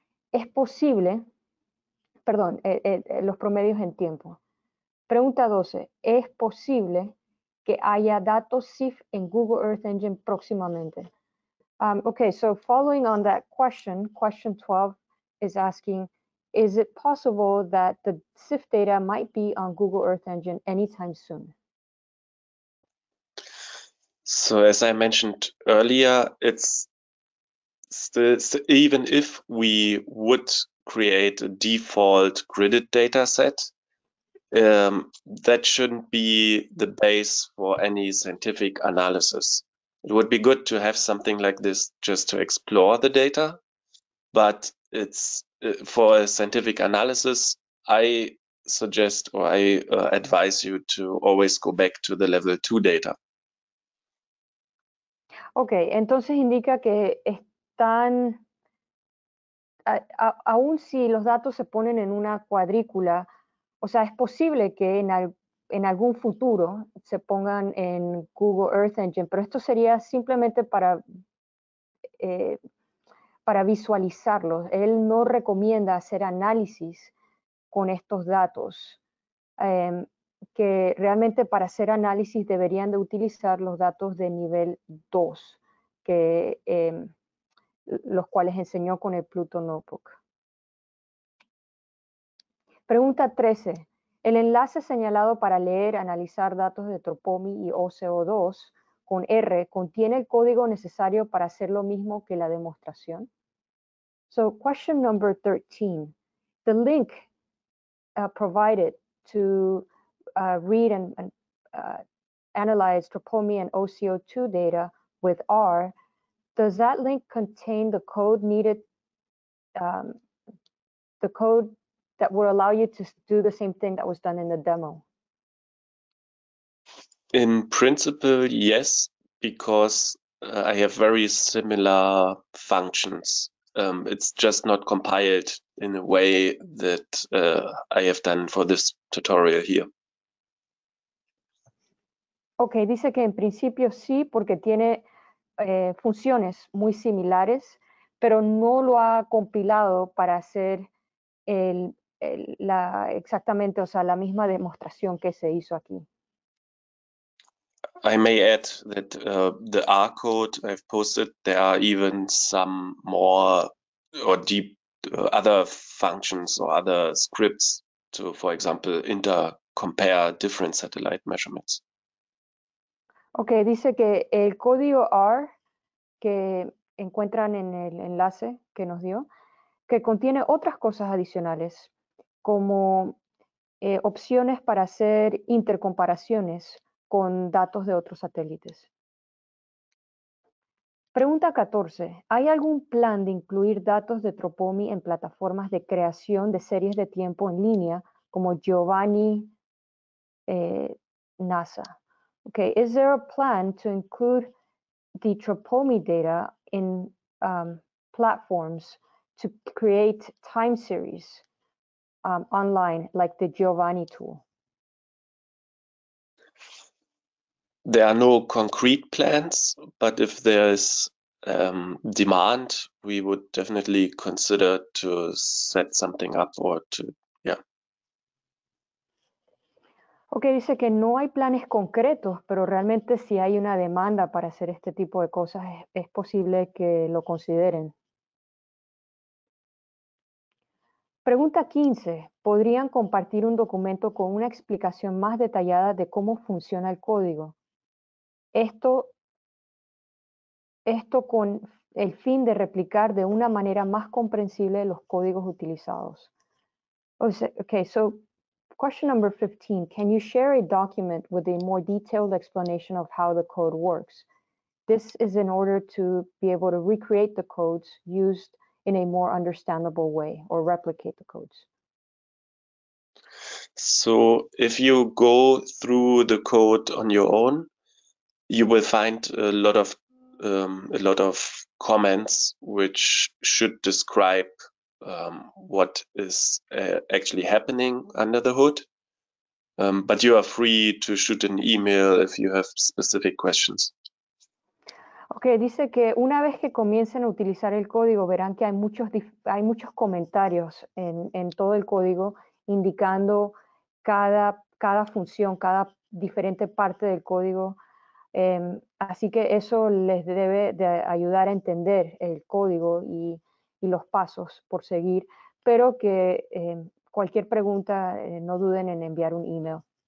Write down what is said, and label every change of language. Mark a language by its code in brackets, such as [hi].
[es] Es posible, perdón, los promedios en tiempo. Pregunta 12. ¿Es posible que haya datos SIF en Google Earth Engine próximamente? [en] Okay, so following on that question, question 12 is asking, is it possible that the SIF data might be on Google Earth Engine anytime soon? So as I mentioned earlier, it's still, so even if we would create a default gridded data set, that shouldn't be the base for any scientific analysis. It would be good to have something like this just to explore the data, but it's for a scientific analysis, I suggest or I advise you to always go back to the level two data. [es] Ok, entonces indica que aun si los datos se ponen en una cuadrícula, o sea, es posible que en algún futuro se pongan en Google Earth Engine, pero esto sería simplemente para visualizarlos. Él no recomienda hacer análisis con estos datos, que realmente para hacer análisis deberían de utilizar los datos de nivel 2. Que los cuales enseñó con el Pluto Notebook. Pregunta 13. El enlace señalado para leer, analizar datos de Tropomi y OCO2 con R contiene el código necesario para hacer lo mismo que la demostración. [en] So, question number 13. The link provided to read and analyze Tropomi and OCO2 data with R. Does that link contain the code needed, the code that will allow you to do the same thing that was done in the demo? In principle, yes, because I have very similar functions. It's just not compiled in a way that I have done for this tutorial here. [es] Okay, dice que en principio sí, porque tiene funciones muy similares, pero no lo ha compilado para hacer exactamente, o sea, la misma demostración que se hizo aquí. [en] I may add that the R code I've posted, there are even some more or deep other functions or other scripts to, for example, inter compare different satellite measurements. [es] Okay, dice que el código R que encuentran en el enlace que nos dio, que contiene otras cosas adicionales, como opciones para hacer intercomparaciones con datos de otros satélites. Pregunta 14. ¿Hay algún plan de incluir datos de Tropomi en plataformas de creación de series de tiempo en línea como Giovanni NASA? [en] Okay, is there a plan to include the Tropomi data in platforms to create time series online, like the Giovanni tool? There are no concrete plans, but if there's demand, we would definitely consider to set something up or to. [es] Ok, dice que no hay planes concretos, pero realmente si hay una demanda para hacer este tipo de cosas, es posible que lo consideren. Pregunta 15. ¿Podrían compartir un documento con una explicación más detallada de cómo funciona el código? Esto con el fin de replicar de una manera más comprensible los códigos utilizados. [en] Okay, so question number 15. Can you share a document with a more detailed explanation of how the code works? This is in order to be able to recreate the codes used in a more understandable way or replicate the codes. So if you go through the code on your own, you will find a lot of comments which should describe what is actually happening under the hood. But you are free to shoot an email if you have specific questions. [es] Okay, dice que una vez que comiencen a utilizar el código, verán que hay muchos comentarios en todo el código indicando cada función, cada diferente parte del código. Así que eso les debe de ayudar a entender el código y los pasos por seguir, pero que cualquier pregunta, no duden en enviar un email.